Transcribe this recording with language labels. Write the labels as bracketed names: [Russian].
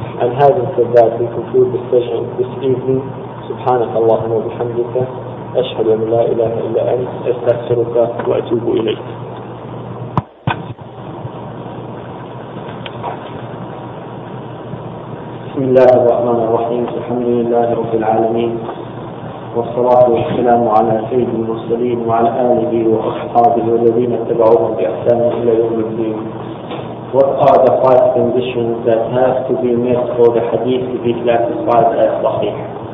[English] And having said that, we conclude the session this evening. [Arabic] Subhanaka Allahumma wa bihamdika. أشهد أن لا إله إلا أنت أستغفرك وأتوب إليك. بسم الله الرحمن الرحيم. الحمد لله رب العالمين والصلاة والسلام على سيد المرسلين وعلى آله وأصحابه والذين اتبعوهم بإحسان إلى يوم الدين. [English] What are the five conditions that have to be met for the hadith to be classified as صحيح?